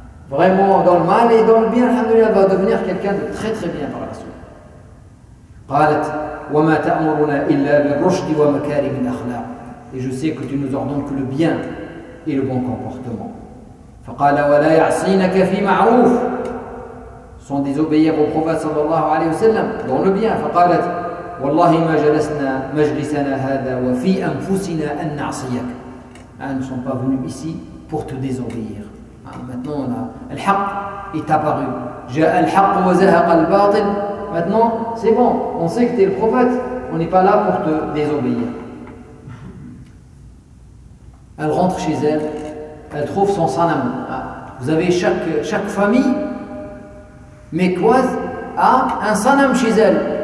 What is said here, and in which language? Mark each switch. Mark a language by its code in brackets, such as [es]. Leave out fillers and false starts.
[fr] Vraiment dans le mal et dans le bien, Alhamdulillah, va devenir quelqu'un de très très bien par la suite. [ar] قالت وما تأمرنا إلا بالرشد ومكارم الأخلاق. [fr] Et je sais que tu nous ordonnes que le bien et le bon comportement. [ar] فقال ولا يعصينك في معروف. [fr] Sans désobéir au prophète sallallahu alayhi wa sallam dans le bien. [ar] فقالت والله ما جلسنا مجلسنا هذا وفي أنفسنا أن نعصيك. [fr] Nous ne sommes pas venus ici pour te désobéir. Maintenant, le haq est apparu. J'ai le haq wa zahaq al-batil. Maintenant, c'est bon. On sait que tu es le prophète. On n'est pas là pour te désobéir. Elle rentre chez elle. Elle trouve son sanam. Vous avez chaque famille, mécoise, a un sanam chez elle.